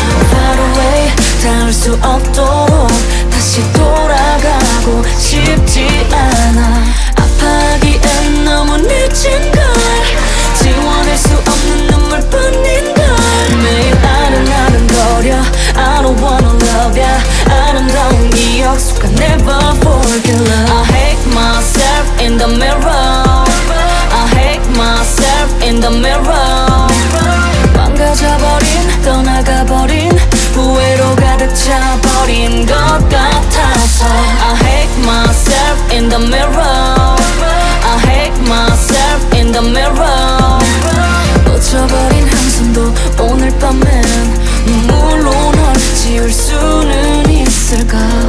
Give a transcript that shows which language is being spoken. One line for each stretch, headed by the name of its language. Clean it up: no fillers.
English: Far away
Korean: 닿을 수 없도록 다시 돌아가고 싶지 않아. 아파하기엔 너무 늦은걸. 지워낼 수 없는 눈물뿐인걸. 매일 아른아른거려.
English: I don't wanna love ya.
Korean: 아름다운 기억 속아
English: never forget love. I hate myself in the mirror. I hate myself in the mirror.
Korean: 망가져버린 떠나가버린 후회로 가득 차버린 것 같아서.
English: I hate myself in the mirror. I hate myself in the mirror.
Korean: 묻혀버린 한숨도 오늘 밤엔 눈물로 널 지울 수는 있을까.